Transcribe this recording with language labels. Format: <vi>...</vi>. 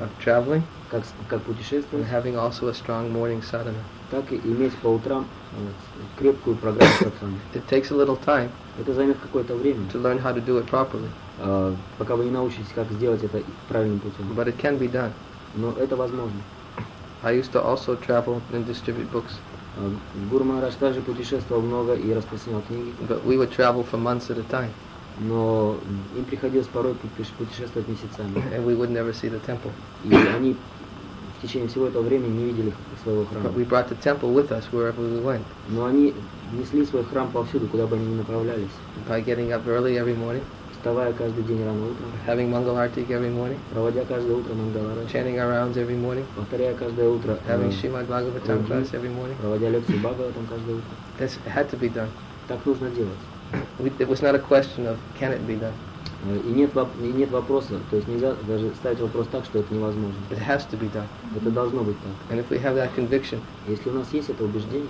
<en>Of traveling,</en> <ru>как путешествовать,</ru> <en>and having also a strong morning sadhana.</en> <ru>Так и иметь по утрам крепкую программу сатсанги.</ru> <en>It takes a little time.</en> <ru>Это займет какое-то время.</ru> <en>To learn how to do it properly.</en> <ru>Пока вы не научитесь, как сделать это правильным путем.</ru> <en>But it can be done.</en> <ru>Но это возможно.</ru> <en>I used to also travel and distribute books.</en> <ru>Guru Maharaj также путешествовал много и распространял книги.</ru> <en>But we would travel for months at a time.</en> <ru>Но им приходилось порой путешествовать месяцами.</ru> <en>And we would never see the temple.</en> <ru>И они в течение всего этого времени не видели своего храма.</ru> <en>But we brought the temple with us wherever we went.</en> <ru>Но они несли свой храм повсюду, куда бы они ни направлялись.</ru> <en>By getting up early every morning.</en> <ru>Вставая каждый день рано утром.</ru> <en>Having mangal arti every morning.</en> <ru>Проводя каждое утро мангал арти.</ru> <en>Chanting our rounds every morning.</en> <ru>Повторяя каждое утро.</ru> <en>Having Shrimad Bhagavatam class every morning.</en> <ru>Проводя лекции Бхагаватам каждое утро.</ru> <en>This had to be done.</en> <ru>Так нужно делать.</ru> <en>It was not a question of can it be done.</en> <ru>И нет вопроса, то есть нельзя даже ставить вопрос так, что это невозможно.</ru> <en>It has to be done.</en> <ru>Это должно быть так.</ru> <en>And if we have that conviction,</en> <ru>если у нас есть это убеждение,</ru>